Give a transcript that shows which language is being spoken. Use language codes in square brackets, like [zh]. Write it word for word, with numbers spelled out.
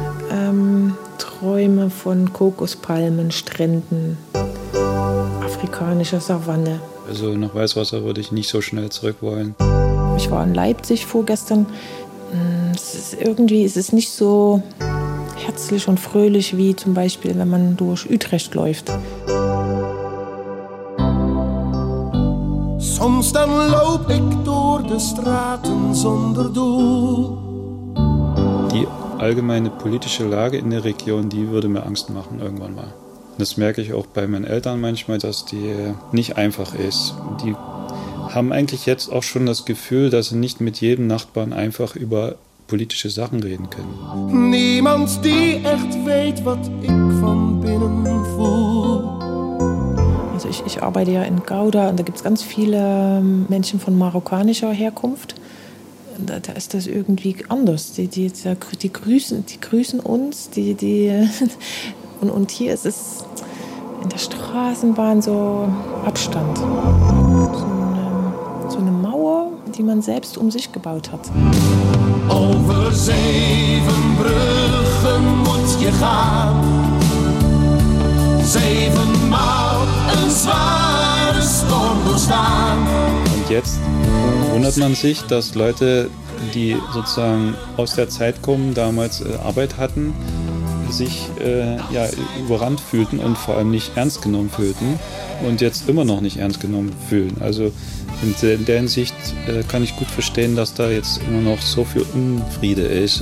[de] Ähm, Träume von Kokospalmen, Stränden, afrikanischer Savanne. Also nach Weißwasser würde ich nicht so schnell zurück wollen. Ich war in Leipzig vorgestern. Es ist irgendwie, es ist nicht so herzlich und fröhlich, wie zum Beispiel, wenn man durch Utrecht läuft. [nl] Soms dan loop ik door de straten zonder doel. [de] Die allgemeine politische Lage in der Region, die würde mir Angst machen irgendwann mal. Das merke ich auch bei meinen Eltern manchmal, dass die nicht einfach ist. Die haben eigentlich jetzt auch schon das Gefühl, dass sie nicht mit jedem Nachbarn einfach über politische Sachen reden können. [nl] Niemand, die echt weet, wat ik van binnen voel. [de] Also ich, ich arbeite ja in Gouda und da gibt es ganz viele Menschen von marokkanischer Herkunft. Da, da ist das irgendwie anders. Die, die, die, grüßen, die grüßen uns. Die, die und, und hier ist es in der Straßenbahn so Abstand. So eine, so eine Mauer, die man selbst um sich gebaut hat. [nl] Over zeven bruggen moet je gaan. Zevenmaal een zware storm doorstaan. [de] Und jetzt wundert man sich, dass Leute, die sozusagen aus der Zeit kommen, damals äh, Arbeit hatten, sich äh, ja, überrannt fühlten und vor allem nicht ernst genommen fühlten und jetzt immer noch nicht ernst genommen fühlen. Also in der Hinsicht äh, kann ich gut verstehen, dass da jetzt immer noch so viel Unfriede ist.